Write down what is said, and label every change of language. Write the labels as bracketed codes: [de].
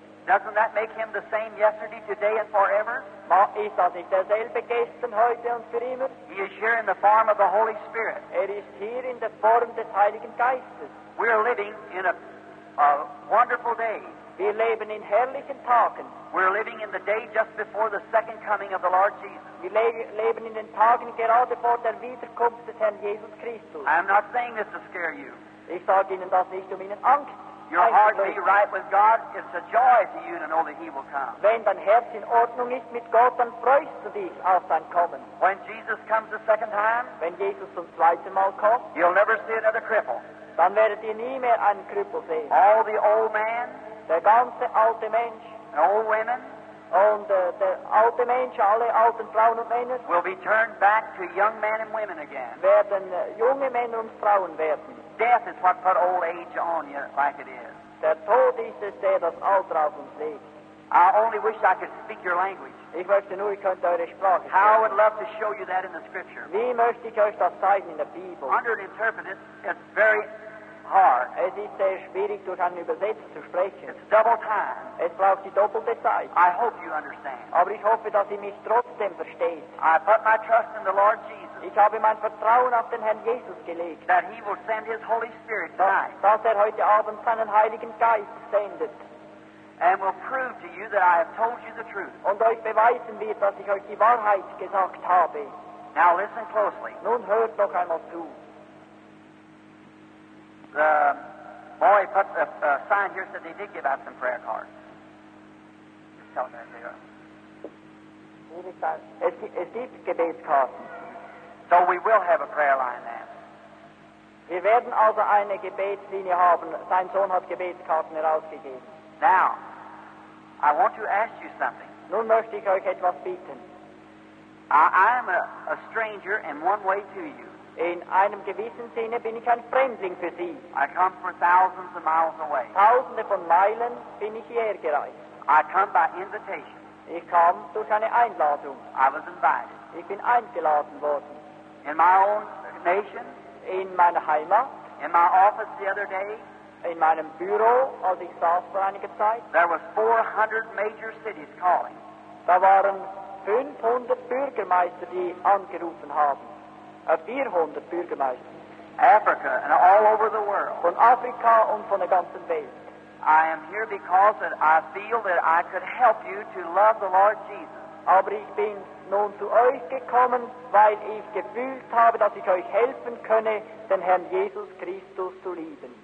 [en] Doesn't that make him the same yesterday, today, and forever? [de] Ist das nicht derselbe gestern, heute und für immer? [en] He is here in the form of the Holy Spirit. [de] Er ist hier in der Form des Heiligen Geistes. [en] We are living in a wonderful day. [de] Wir leben in herrlichen Tagen. [en] We're living in the day just before the second coming of the Lord Jesus. [de] Wir leben in den Tagen gerade vor der Wiederkunft des Herrn Jesus Christus. [en] I'm not saying this to scare you. [de] Ich sage Ihnen das nicht, um Ihnen Angst zu machen. [en] Your heart be right with God, it's a joy to you to know that He will come. [de] Wenn dein Herz in Ordnung ist mit Gott, dann freust du dich auf sein Kommen. [en] When Jesus comes the second time, [de] wenn Jesus zum zweiten Mal kommt, [en] you'll never see another cripple. [de] Dann werdet ihr nie mehr einen Krüppel sehen. [en] All the old man, [de] der ganze alte Mensch, [en] old women, [de] und der alte Mensch, alle alten Frauen und Männer, [en] will be turned back to young men and women again. [de] Werden junge Männer und Frauen werden. [en] Death is what put old age on you, like it is. [de] Der Tod ist es, der das Alter auf uns legt. [en] I only wish I could speak your language. [de] Ich möchte nur, ich könnte eure Sprache sprechen. [en] How I would love to show you that in the Scripture. [de] Wie möchte ich euch das zeigen in der Bibel? [en] Under an interpreter, it's very hard. [de] Es ist sehr schwierig, durch einen Übersetzer zu sprechen. [en] It's double time. [de] Es braucht die doppelte Zeit. [en] I hope you understand. [de] Aber ich hoffe, dass ihr mich trotzdem versteht. [en] I put my trust in the Lord Jesus. [de] Ich habe mein Vertrauen auf den Herrn Jesus gelegt. [en] That He will send His Holy Spirit tonight. [de] Dass er heute Abend seinen Heiligen Geist sendet. [en] And will prove to you that I have told you the truth. [de] Und euch beweisen wird, dass ich euch die Wahrheit gesagt habe. [en] Now listen closely. [de] Nun hört noch einmal zu. [en] The boy put a sign here that they did give out some prayer cards. Just tell them there they are. So we will have a prayer line then. [de] Wir werden also eine Gebetslinie haben. Sein Sohn hat Gebetskarten herausgegeben. [en] Now, I want to ask you something. [de] Nun möchte ich euch etwas bieten. [en] I am a stranger in one way to you. [de] In einem gewissen Sinne bin ich ein Fremdling für Sie. [en] I come from thousands of miles away. [de] Tausende von Meilen bin ich hierher gereist. [en] I come by invitation. [de] Ich kam durch eine Einladung. [en] I was invited. [de] Ich bin eingeladen worden. [en] In my own nation. [de] In meiner Heimat. [en] In my office the other day. [de] In meinem Büro, als ich saß vor einiger Zeit. [en] There was 400 major cities calling. [de] Da waren 500 Bürgermeister, die angerufen haben. 400 Bürgermeister. [en] Africa and all over the world. [de] Von Afrika und von der ganzen Welt. [en] I am here because that I feel that I could help you to love the Lord Jesus. [de] Aber ich bin nun zu euch gekommen, weil ich gefühlt habe, dass ich euch helfen könne, den Herrn Jesus Christus zu lieben.